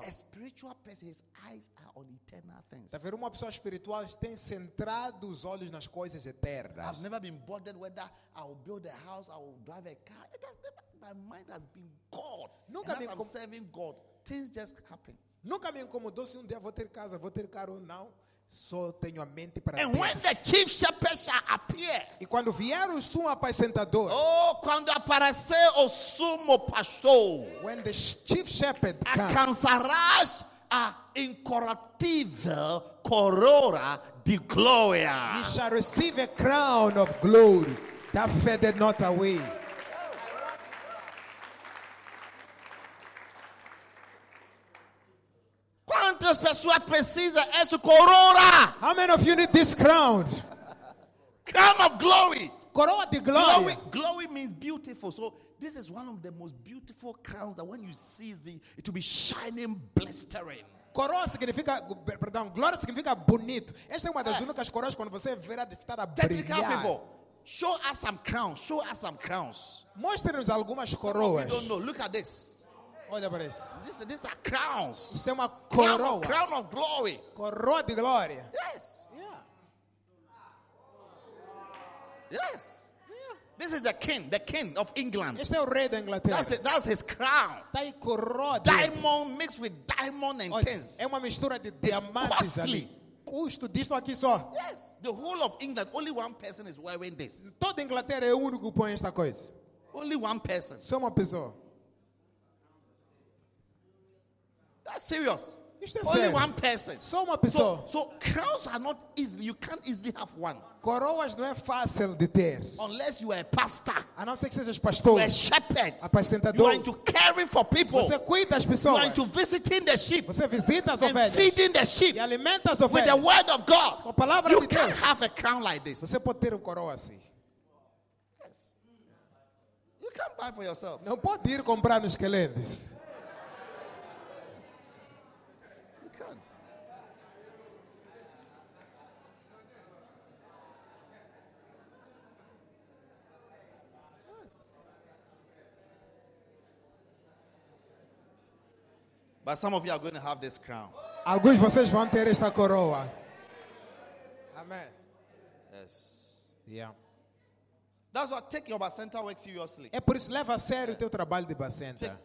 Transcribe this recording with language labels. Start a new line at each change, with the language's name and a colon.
English: A spiritual person, his eyes are on eternal things.
Portuguese: Está a ver, uma pessoa espiritual tem centrado os olhos nas coisas eternas.
English: I've never been bothered whether I will build a house, I will drive a car. It has never, my mind has been God.
Portuguese: Nunca
English: and as I'm serving God, things just happen.
Portuguese: Nunca me incomodou se um dia vou ter casa, vou ter carro ou não. Só tenho a mente para
English: and
Portuguese: Deus.
English: When the chief shepherd shall appear,
Portuguese: e quando vier o sumo apacentador, oh, quando aparecer o sumo pastor,
English: when the chief shepherd
Portuguese: alcançarás a incorruptível coroa de glória.
English: He shall receive a crown of glory that fadeth not away.
Portuguese: Quantas pessoas precisa essa coroa?
English: How many of you need this crown? Crown of glory.
Portuguese: Coroa de glória.
English: Glory, glory means beautiful. So this is one of the most beautiful crowns that when you see it, it will be shining, blistering.
Portuguese: Coroa significa, perdão, glória significa bonito. Esta é uma das únicas coroas quando você verá de estar a
English: technical
Portuguese: brilhar.
English: People, show us some crowns. Show us some crowns.
Portuguese: Mostre-nos algumas coroas.
English: Don't know. Look at this.
Portuguese: Olha para isso.
English: These are crowns.
Portuguese: Isso é uma coroa.
English: Crown of glory.
Portuguese: Coroa de glória.
English: Yes. Yeah. Yes. Yeah. This is the king of England.
Portuguese: Este é o rei da Inglaterra.
English: That's his crown.
Portuguese: Tá aí coroa.
English: Diamond mixed with diamond and tins.
Portuguese: É uma mistura de diamantes.
English: It's costly.
Portuguese: Custo disto aqui só.
English: Yes. The whole of England, only one person is wearing this.
Portuguese: Toda Inglaterra é o único que põe esta coisa.
English: Only one person.
Portuguese: Só uma pessoa.
English: That's serious.
Portuguese: Isto é
English: only
Portuguese: sério.
English: One person.
Portuguese: Só uma pessoa.
English: So crowns are not easy. You can't easily have one.
Portuguese: Coroas não é fácil de ter.
English: Unless you are a pastor.
Portuguese: A não ser que sejas pastor.
English: A shepherd.
Portuguese: Apacentador.
English: You are into caring for people.
Portuguese: Você cuida das pessoas.
English: You are into visiting the sheep.
Portuguese: Você visita as ovelhas.
English: And feeding the sheep.
Portuguese: E alimenta as ovelhas.
English: With the word of God.
Portuguese: Com a palavra
English: you
Portuguese: de Deus.
English: You can't have a crown like this.
Portuguese: Você pode ter uma coroa assim.
English: Yes. You can't buy for yourself.
Portuguese: Não pode ir comprar nos quelendes.
English: But some of you are going to have this crown.
Portuguese: Alguns de vocês vão ter esta coroa.
English: Amen. Yes. Yeah. That's what take your bacenta work seriously.
Portuguese: É por isso leva a sério o teu trabalho de bacenta.